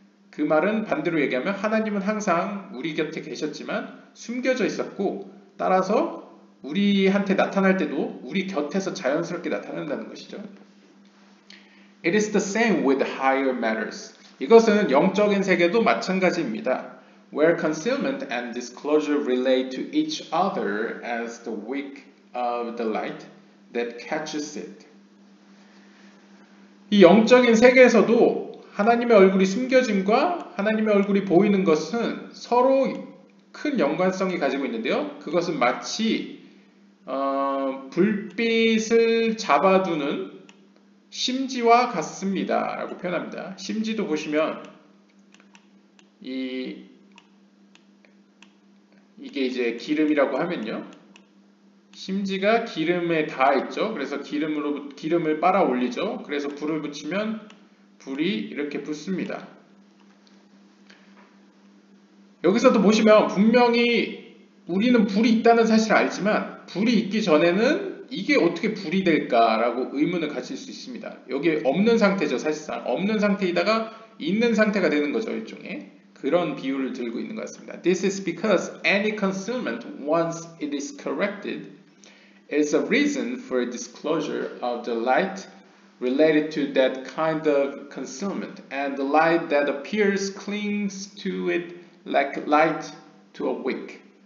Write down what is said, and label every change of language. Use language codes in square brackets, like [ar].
[ko] 그 말은 반대로 얘기하면 하나님은 항상 우리 곁에 계셨지만 숨겨져 있었고 따라서 우리한테 나타날 때도 우리 곁에서 자연스럽게 나타난다는 것이죠. [en] It is the same with higher matters. [ko] 이것은 영적인 세계도 마찬가지입니다. [en] Where concealment and disclosure relate to each other as the wick of the light that catches it. [ko] 이 영적인 세계에서도 하나님의 얼굴이 숨겨짐과 하나님의 얼굴이 보이는 것은 서로 큰 연관성이 가지고 있는데요. 그것은 마치 불빛을 잡아두는 심지와 같습니다. 라고 표현합니다. 심지도 보시면 이게 이제 기름이라고 하면요. 심지가 기름에 닿아 있죠. 그래서 기름을 빨아 올리죠. 그래서 불을 붙이면 불이 이렇게 붙습니다. 여기서도 보시면 분명히 우리는 불이 있다는 사실을 알지만 불이 있기 전에는 이게 어떻게 불이 될까라고 의문을 가질 수 있습니다. 여기 없는 상태죠. 사실상 없는 상태이다가 있는 상태가 되는 거죠. 일종의. 그런 비유를 들고 있는 것 같습니다. [en] This is because any concealment, once it is corrected, is a reason for a disclosure of the light related to that kind of concealment, and the light that appears clings to it like light to a wick.